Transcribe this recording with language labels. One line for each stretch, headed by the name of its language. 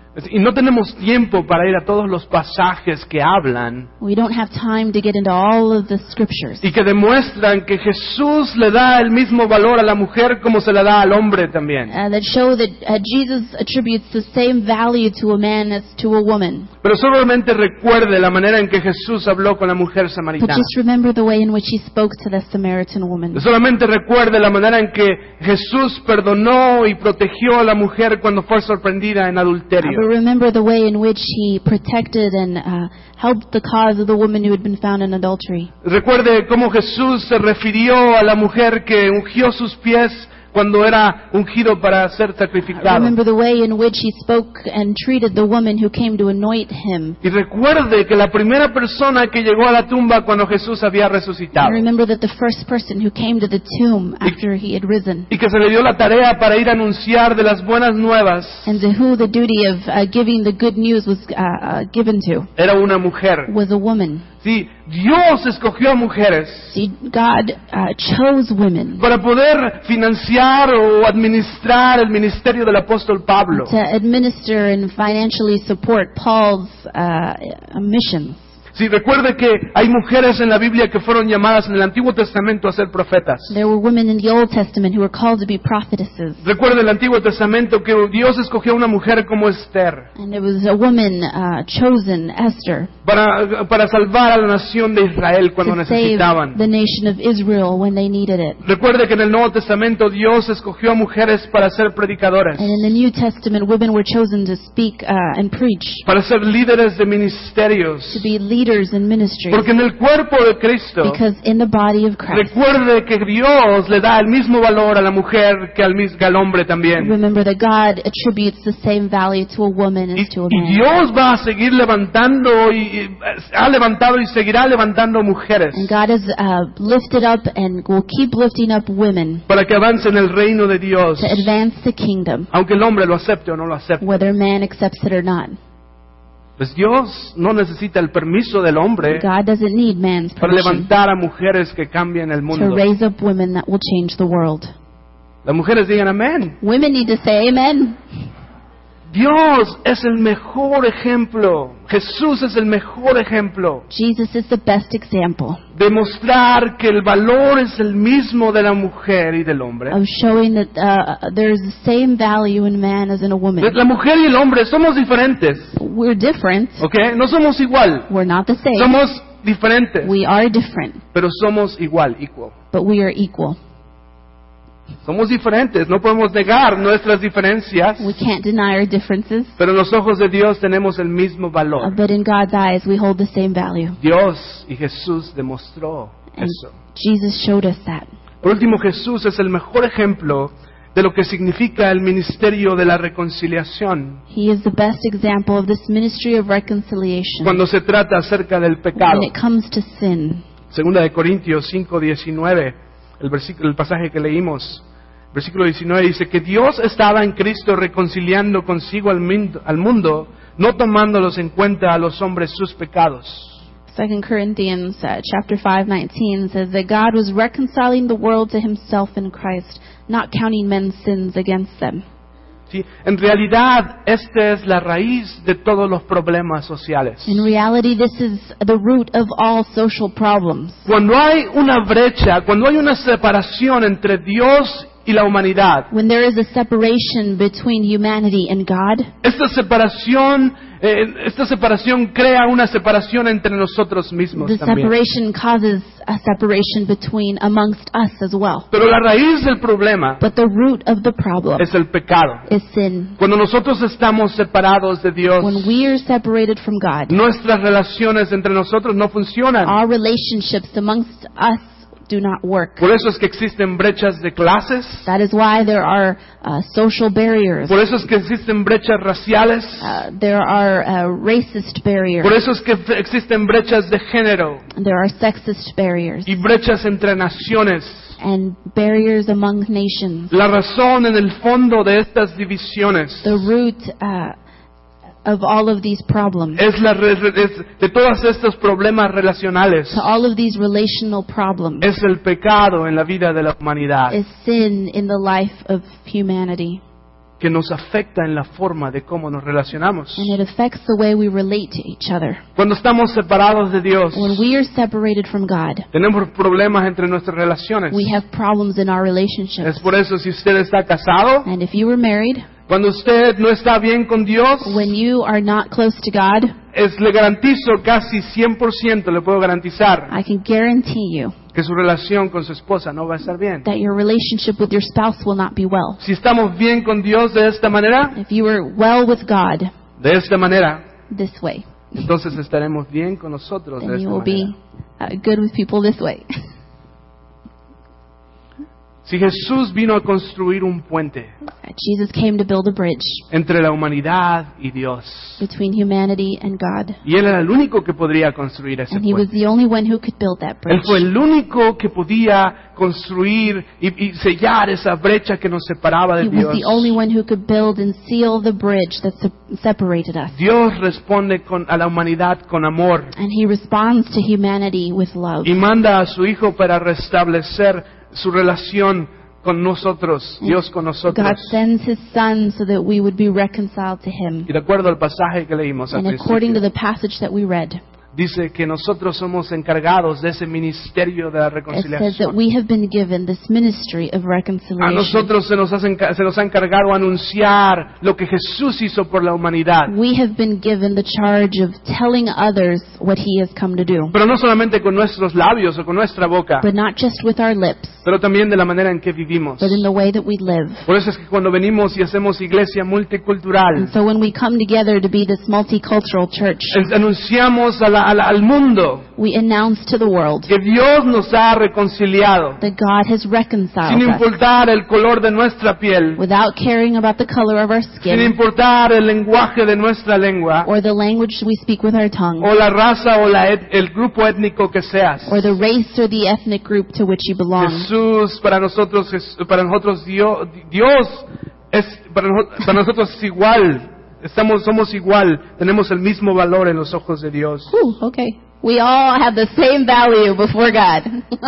Spanish: Y no tenemos tiempo para ir a todos los pasajes que hablan.
English: We don't have time to get into all of the scriptures.
Spanish: Y que demuestran que Jesús le da el mismo valor a la mujer como se le da al hombre también.
English: That show that Jesus attributes the same value to a man as to a woman.
Spanish: Pero solamente recuerde la manera en que Jesús habló con la mujer samaritana.
English: But just remember the way in which he spoke to the Samaritan woman.
Spanish: Solamente recuerde la manera en que Jesús perdonó y protegió a la mujer cuando fue sorprendida en adulterio.
English: But remember the way in which he protected and helped the cause of the woman who had been found in adultery.
Spanish: Recuerde cómo Jesús se refirió a la mujer que ungió sus pies cuando era ungido para ser sacrificado.
English: Remember the way in which he spoke and treated the woman who came to anoint him.
Spanish: Y recuerde que la primera persona que llegó a la tumba cuando Jesús había resucitado.
English: And remember that the first person who came to the tomb after he had risen.
Spanish: Y que se le dio la tarea para ir a anunciar de las buenas nuevas.
English: And to who the duty of giving the good news was given to.
Spanish: Era una mujer.
English: Was a woman.
Spanish: Sí, Dios escogió a mujeres.
English: See, God chose women.
Spanish: Para poder financiar o administrar el ministerio del apóstol Pablo.
English: To administer and financially support Paul's mission.
Spanish: Sí, recuerde que hay mujeres en la Biblia que fueron llamadas en el Antiguo Testamento a ser profetas.
English: There were women in the Old Testament who were called to be prophetesses.
Spanish: Recuerde el Antiguo Testamento que Dios escogió una mujer como Esther.
English: And it was a woman chosen, Esther.
Spanish: Para salvar a la nación de Israel cuando necesitaban.
English: To save the nation of Israel when they needed it.
Spanish: Recuerde que en el Nuevo Testamento Dios escogió a mujeres para ser predicadoras.
English: And in the New Testament women were chosen to speak and preach.
Spanish: Para ser líderes de ministerios.
English: To be leaders in ministry.
Spanish: Porque en el cuerpo de Cristo.
English: Because in the body of Christ.
Spanish: Recuerde que Dios le da el mismo valor a la mujer que al hombre también.
English: Remember that God attributes the same value to a woman as to a man.
Spanish: Y Dios va a seguir levantando y ha levantado y seguirá levantando mujeres.
English: And God has lifted up and will keep lifting up women.
Spanish: Para que avancen el reino de Dios.
English: To advance the kingdom.
Spanish: Aunque el hombre lo acepte o no lo acepte.
English: Whether man accepts it or not.
Spanish: Pues Dios no necesita el permiso del hombre
English: God doesn't need man's
Spanish: para levantar a mujeres que cambien el mundo.
English: To raise up women that will change the world.
Spanish: Las mujeres digan amén.
English: Women need to say amen.
Spanish: Dios es el mejor ejemplo. Jesús es el mejor ejemplo.
English: Jesus is the best example.
Spanish: Demostrar que el valor es el mismo de la mujer y del hombre.
English: Of showing that there is the same value in man as in a woman.
Spanish: La mujer y el hombre somos diferentes.
English: We're different.
Spanish: Okay, no somos igual.
English: We're not the same.
Spanish: Somos diferentes.
English: We are different.
Spanish: Pero somos igual, equal.
English: But we are equal.
Spanish: Somos diferentes, no podemos negar nuestras diferencias.
English: We can't deny our differences.
Spanish: Pero en los ojos de Dios tenemos el mismo valor.
English: But in God's eyes we hold the same value.
Spanish: Dios y Jesús demostró
English: and
Spanish: eso.
English: Jesus showed us that.
Spanish: Por último, Jesús es el mejor ejemplo de lo que significa el ministerio de la reconciliación.
English: He is the best example of this ministry of reconciliation.
Spanish: Cuando se trata acerca del pecado.
English: When it comes to sin.
Spanish: Segunda de Corintios 5:19. El pasaje que leímos, versículo 19, dice que Dios estaba en Cristo reconciliando consigo al mundo, no tomándolos en cuenta a los hombres sus pecados.
English: 2 Corinthians chapter 5:19 says that God was reconciling the world to himself in Christ, not counting men's sins against them.
Spanish: Sí, en realidad, esta es la raíz de todos los problemas sociales.
English: In reality, this is the root of all social problems.
Spanish: Cuando hay una brecha, cuando hay una separación entre Dios y la humanidad,
English: when there is a separation between humanity and God,
Spanish: esta separación crea una separación entre nosotros mismos también.
English: The separation causes a separation between amongst us as well.
Spanish: Pero la raíz del problema,
English: but the root of the problem,
Spanish: es el pecado.
English: Is sin.
Spanish: Cuando nosotros estamos separados de Dios,
English: when we are separated from God,
Spanish: nuestras relaciones entre nosotros no funcionan.
English: Our relationships amongst us do not work.
Spanish: Por eso es que existen brechas de clases.
English: That is why there are social barriers.
Spanish: Por eso es que existen brechas raciales.
English: There are racist barriers.
Spanish: Por eso es que existen brechas de género.
English: There are sexist barriers.
Spanish: Y brechas entre naciones.
English: And barriers among nations.
Spanish: La razón en el fondo de estas divisiones.
English: The root of all of these problems.
Spanish: Es la de todos estos problemas relacionales.
English: To all of these relational problems.
Spanish: Es el pecado en la vida de la humanidad.
English: Is sin in the life of humanity.
Spanish: Que nos afecta en la forma de cómo nos relacionamos.
English: And it affects the way we relate to each other.
Spanish: Cuando estamos separados de Dios,
English: when we are separated from God,
Spanish: tenemos problemas entre nuestras relaciones.
English: We have problems in our relationships.
Spanish: Es por eso si usted está casado,
English: and if you were married,
Spanish: cuando usted no está bien con Dios,
English: when you are not close to God,
Spanish: le garantizo casi 100%, le puedo garantizar,
English: I can guarantee you
Spanish: que su relación con su esposa no va a estar bien.
English: That your relationship with your spouse will not be well.
Spanish: Si estamos bien con Dios de esta manera,
English: if you are well with God,
Spanish: de esta manera,
English: this way,
Spanish: entonces estaremos bien con nosotros
English: then
Spanish: de esta
English: you will
Spanish: manera.
English: Be good with people this way.
Spanish: Si Jesús vino a construir un puente,
English: Jesus came to build a bridge
Spanish: entre la humanidad y Dios,
English: between humanity and God.
Spanish: Y él era el único que podría construir ese
English: and
Spanish: puente.
English: He was the only one who could build that bridge.
Spanish: Él fue el único que podía construir y sellar esa brecha que nos separaba de
English: he
Spanish: Dios.
English: He was the only one who could build and seal the bridge that separated us.
Spanish: Dios responde a la humanidad con amor.
English: And he responds to humanity with love.
Spanish: Y manda a su hijo para restablecer su relación con nosotros, Dios con nosotros.
English: God sends his son so that we would be reconciled to him.
Spanish: Y de acuerdo al pasaje que leímos,
English: and according to the passage that we read,
Spanish: dice que nosotros somos encargados de ese ministerio de la reconciliación.
English: It says that we have been given this ministry of reconciliation.
Spanish: A nosotros se nos ha encargado anunciar lo que Jesús hizo por la humanidad.
English: We have been given the charge of telling others what he has come to do.
Spanish: Pero no solamente con nuestros labios o con nuestra boca.
English: But not just with our lips.
Spanish: Pero también de la manera en que vivimos.
English: But in the way that we live.
Spanish: Por eso es que cuando venimos y hacemos iglesia multicultural,
English: and so when we come together to be this multicultural church,
Spanish: anunciamos al mundo,
English: we announce to the world,
Spanish: que Dios nos ha reconciliado,
English: that God has reconciled
Spanish: us, sin importar el color de nuestra piel,
English: without caring about the color of our skin,
Spanish: sin importar el lenguaje de nuestra lengua,
English: or the language we speak with our tongue,
Spanish: o la raza o el grupo étnico que seas,
English: or the race or the ethnic group to which you belong.
Spanish: Jesús, para nosotros Dios es para nosotros es igual. Somos igual, tenemos el mismo valor en los ojos de Dios. Okay.
English: We all have the same value before God.